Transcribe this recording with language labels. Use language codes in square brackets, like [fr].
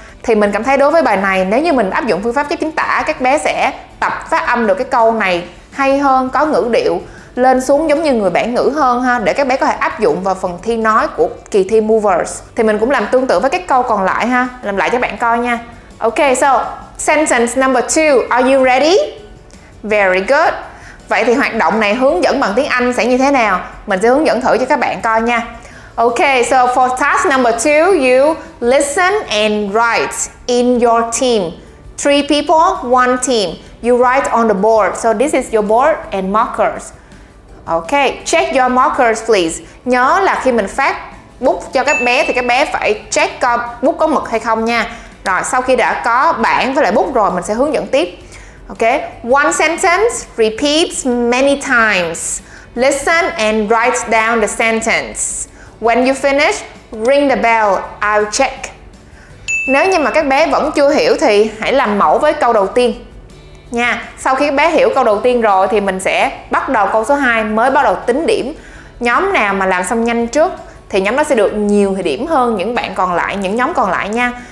[vi] Thì mình cảm thấy đối với bài này, nếu như mình áp dụng phương pháp chép chính tả, các bé sẽ tập phát âm được cái câu này hay hơn, có ngữ điệu lên xuống giống như người bản ngữ hơn ha, để các bé có thể áp dụng vào phần thi nói của kỳ thi Movers. Thì mình cũng làm tương tự với các câu còn lại ha, làm lại cho bạn coi nha. [en] Ok, so sentence number 2, are you ready? Very good. [vi] Vậy thì hoạt động này hướng dẫn bằng tiếng Anh sẽ như thế nào? Mình sẽ hướng dẫn thử cho các bạn coi nha. [en] Ok, so for task number 2, you listen and write in your team. 3 people, 1 team. You write on the board. So this is your board and markers. Ok, check your markers please. [vi] Nhớ là khi mình phát bút cho các bé thì các bé phải check coi bút có mực hay không nha. Rồi, sau khi đã có bảng với lại bút rồi, mình sẽ hướng dẫn tiếp. [en] Ok, one sentence repeats many times. Listen and write down the sentence. When you finish, ring the bell, I'll check. [vi] Nếu như mà các bé vẫn chưa hiểu thì hãy làm mẫu với câu đầu tiên nha. Sau khi các bé hiểu câu đầu tiên rồi thì mình sẽ bắt đầu câu số 2, mới bắt đầu tính điểm. nhóm nào mà làm xong nhanh trước thì nhóm đó sẽ được nhiều điểm hơn những bạn còn lại, những nhóm còn lại nha.